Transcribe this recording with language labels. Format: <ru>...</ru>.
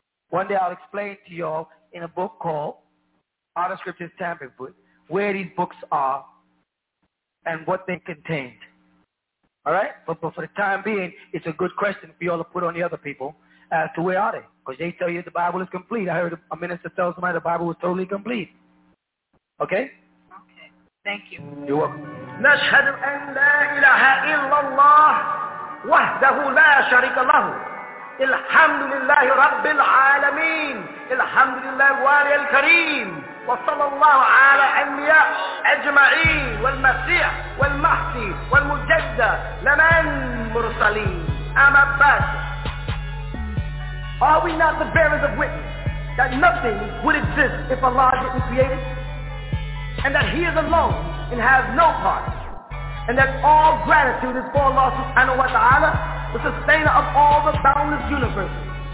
<en>One day I'll explain to y'all in a book called Are the Scriptures Tampered With, where these books are and what they contained. All right? But for the time being, it's a good question for y'all to put on the other people as to where are they? Because they tell you the Bible is complete. I heard a minister tell somebody the Bible was totally complete. Okay? Okay. Thank you. You're welcome.</en> <ar>نشهد أن لا إله إلا الله وحده لا شريك له. الحمد لله رب العالمين. الحمد لله والي الكريم. وصلى الله على أنبياء أجمعين والمسيح والمهدي والمجدد لمن مرسلين. أما بعد.</ar> <en>Are we not the bearers of witness that nothing would exist if Allah didn't create it? And that He is alone and has no part? And that all gratitude is for Allah subhanahu wa ta'ala, the sustainer of all the boundless universes.</en>